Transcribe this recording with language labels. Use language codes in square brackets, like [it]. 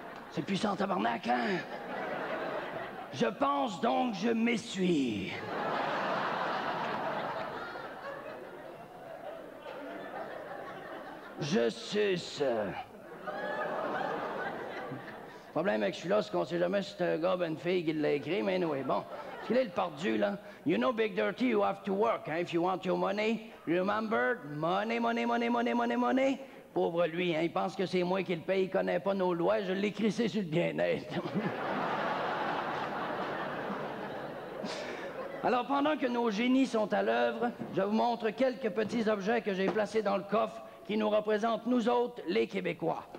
[fr] C'est puissant, tabarnak, hein? Je pense donc je m'essuie. Je suce. Le problème avec celui-là, c'est qu'on sait jamais si c'est un gars ou une fille qui l'a écrit, mais anyway, bon. Parce qu'il est le pardu, là. [en] You know, Big Dirty, you have to work, hein, if you want your money. Remember? Money, money, money, money, money, money. [fr] Pauvre lui, hein, il pense que c'est moi qui le paye, il connaît pas nos lois, je l'ai crissé sur le bien-être. Alors, pendant que nos génies sont à l'œuvre, je vous montre quelques petits objets que j'ai placés dans le coffre qui nous représentent, nous autres, les Québécois.